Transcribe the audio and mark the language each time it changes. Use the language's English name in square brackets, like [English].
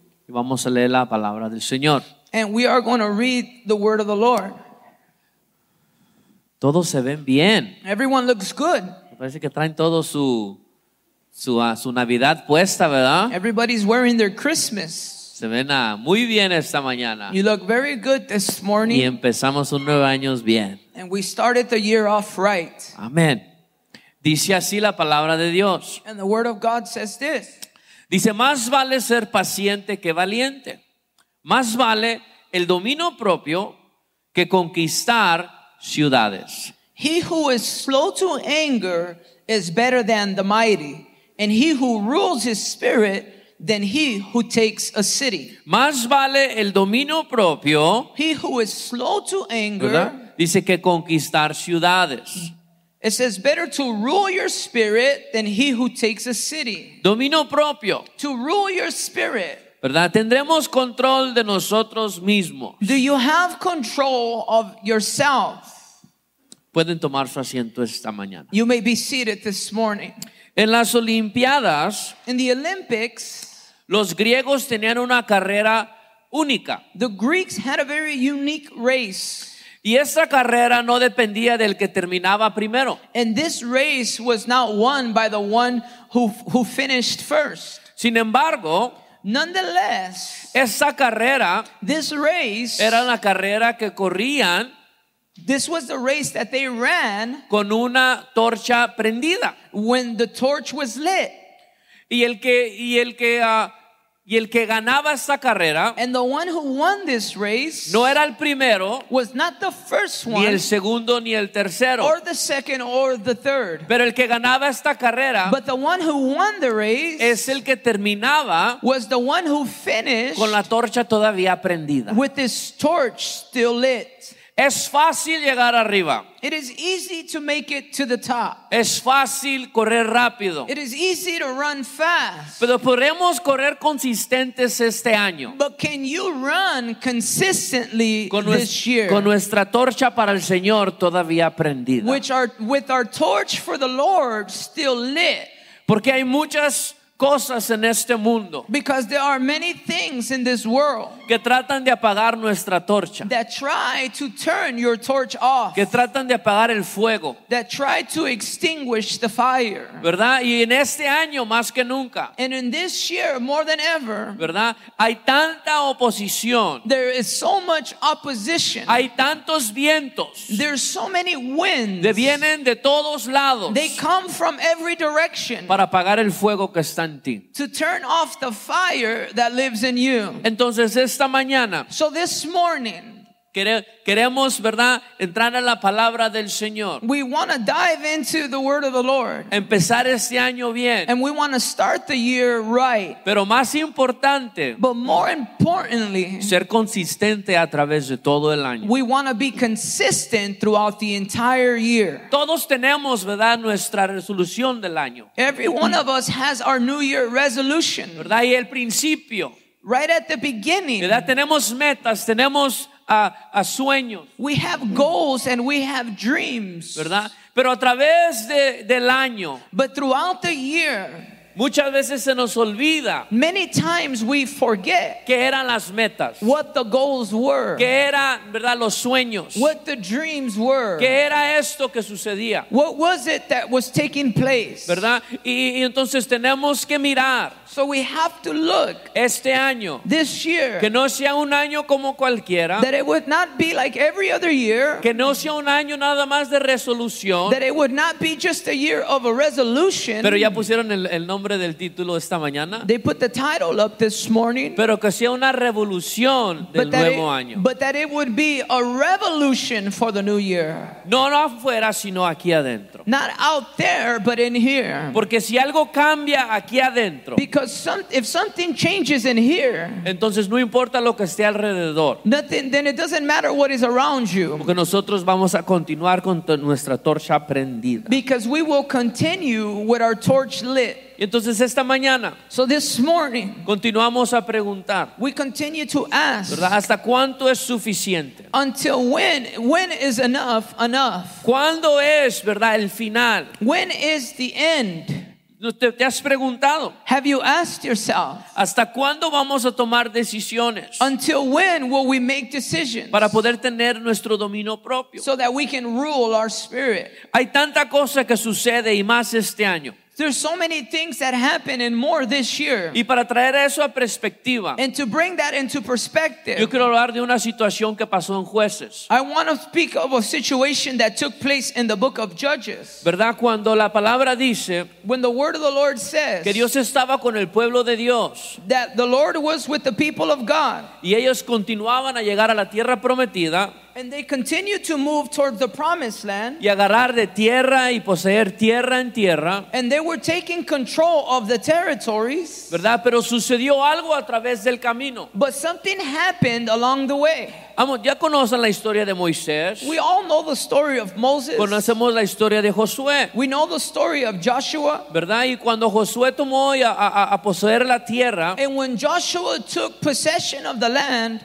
[Spanish] Y vamos a leer la palabra del Señor. [English] And we are going to read the word of the Lord. [Spanish] Todos se ven bien. [English] Everyone looks good. [Spanish] Parece que traen todo su Navidad puesta, ¿verdad? [English] Everybody's wearing their Christmas. [Spanish] Se ven muy bien esta mañana. [English] You look very good this morning. [Spanish] Y empezamos un nuevo año bien. [English] And we started the year off right. [Spanish] Amén. Dice así la palabra de Dios. [English] And the word of God says this. [Spanish] Dice, más vale ser paciente que valiente. Más vale el dominio propio que conquistar ciudades. [English] He who is slow to anger is better than the mighty, and he who rules his spirit than he who takes a city. [Spanish] Más vale el dominio propio. [English] He who is slow to anger. [Spanish] ¿Verdad? Dice que conquistar ciudades. [English] It says better to rule your spirit than he who takes a city. [Spanish] Dominio propio. [English] To rule your spirit. [Spanish] ¿Verdad? Tendremos control de nosotros mismos. [English] Do you have control of yourself? [Spanish] Pueden tomar su asiento esta mañana. [English] You may be seated this morning. [Spanish] En las Olimpiadas, [English] in the Olympics, [Spanish] los griegos tenían una carrera única. [English] The Greeks had a very unique race. [Spanish] Y esta carrera no dependía del que terminaba primero. [English] And this race was not won by the one who finished first. [Spanish] Sin embargo, [English] nonetheless, [Spanish] esta carrera, [English] this race, [Spanish] era una carrera que corrían. [English] This was the race that they ran [Spanish] con una torcha prendida. [English] When the torch was lit. [Spanish] Y el que ganaba esta carrera, [English] and the one who won this race, [Spanish] no era el primero, [English] was not the first one, [Spanish] ni el segundo ni el tercero, [English] or the second or the third. [Spanish] Pero el que ganaba esta carrera, [English] but the one who won the race, [Spanish] es el que terminaba, [English] was the one who finished, [Spanish] con la torcha todavía prendida, [English] with this torch still lit. [Spanish] Es fácil llegar arriba. [English] It is easy to make it to the top. [Spanish] Es fácil correr rápido. [English] It is easy to run fast. [Spanish] Pero podemos correr consistentes este año. [English] But can you run consistently this year? [Spanish] Con nuestra torcha para el Señor todavía prendida. [English] With our torch for the Lord still lit. [Spanish] Porque hay muchas cosas en este mundo. [English] Because there are many things in this world [Spanish] que tratan de apagar nuestra torcha. [English] That try to turn your torch off. [Spanish] Que tratan de apagar el fuego. [English] That try to extinguish the fire. [Spanish] ¿Verdad? Y en este año más que nunca. [English] And in this year more than ever. [Spanish] ¿Verdad? Hay tanta oposición. [English] There is so much opposition. [Spanish] Hay tantos vientos. [English] There's so many winds. [Spanish] Que vienen de todos lados. [English] They come from every direction. [Spanish] Para apagar el fuego que está. [English] To turn off the fire that lives in you. [Spanish] Entonces esta mañana, [English] so this morning, [Spanish] queremos, ¿verdad?, entrar a la palabra del Señor. [English] We want to dive into the word of the Lord. [Spanish] Empezar este año bien. [English] And we want to start the year right. [Spanish] Pero más importante, [English] but more importantly, [Spanish] ser consistente a través de todo el año. [English] We want to be consistent throughout the entire year. [Spanish] Todos tenemos, ¿verdad?, nuestra resolución del año. [English] Every one of us has our new year resolution. [Spanish] ¿Verdad? Y el principio. [English] Right at the beginning. [Spanish] ¿Verdad? Tenemos metas, tenemos a sueños. [English] We have goals and we have dreams. [Spanish] ¿Verdad? Pero a través del año. [English] But throughout the year. [Spanish] Muchas veces se nos olvida. [English] Many times we forget. [Spanish] ¿Qué eran las metas? [English] What the goals were. [Spanish] ¿Qué eran, verdad, los sueños? [English] What the dreams were. [Spanish] ¿Qué era esto que sucedía? [English] What was it that was taking place? [Spanish] ¿Verdad? Y entonces tenemos que mirar. [English] So we have to look. [Spanish] Este año. [English] This year. [Spanish] Que no sea un año como cualquiera. [English] That it would not be like every other year. [Spanish] Que no sea un año nada más de resolución. [English] That it would not be just a year of a resolution. [Spanish] Pero ya pusieron el nombre del título esta mañana. [English] They put the title up this morning. [Spanish] Pero que sea una revolución del nuevo año. [English] But that it would be a revolution for the new year. [Spanish] No afuera, sino aquí adentro. [English] Not out there, but in here. [Spanish] Porque si algo cambia aquí adentro. [English] Because if something changes in here, [Spanish] entonces no importa lo que esté alrededor. [English] Nothing, then it doesn't matter what is around you. [Spanish] Porque nosotros vamos a continuar con nuestra torcha prendida. [English] Because we will continue with our torch lit. [Spanish] Y entonces esta mañana, [English] so this morning, [Spanish] continuamos a preguntar. [English] We continue to ask. [Spanish] ¿Verdad? ¿Hasta cuánto es suficiente? [English] Until when is enough enough? [Spanish] ¿Cuándo es, verdad, el final? [English] When is the end? [Spanish] ¿Te has preguntado? [English] Have you asked yourself? [Spanish] ¿Hasta cuándo vamos a tomar decisiones? [English] Until when will we make decisions? [Spanish] Para poder tener nuestro dominio propio. [English] So that we can rule our spirit. [Spanish] Hay tanta cosa que sucede y más este año. [English] There's so many things that happen and more this year. [Spanish] Y para traer eso a perspectiva. [English] And to bring that into perspective. [Spanish] Yo quiero hablar de una situación que pasó en Jueces. [English] I want to speak of a situation that took place in the book of Judges. [Spanish] ¿Verdad? Cuando la palabra dice. [English] When the word of the Lord says. [Spanish] Que Dios estaba con el pueblo de Dios. [English] That the Lord was with the people of God. [Spanish] Y ellos continuaban a llegar a la tierra prometida. [English] And they continued to move towards the promised land. [Spanish] Y agarrar de tierra y poseer tierra en tierra. [English] And they were taking control of the territories. [Spanish] ¿Verdad? Pero sucedió algo a través del camino. [English] But something happened along the way. [Spanish] Ya conocen la historia de Moisés. [English] We all know the story of Moses. [Spanish] Conocemos la historia de Josué. [English] We know the story of Joshua. [Spanish] ¿Verdad? Y cuando Josué tomó a poseer la tierra. [English] And when Joshua took possession of the land.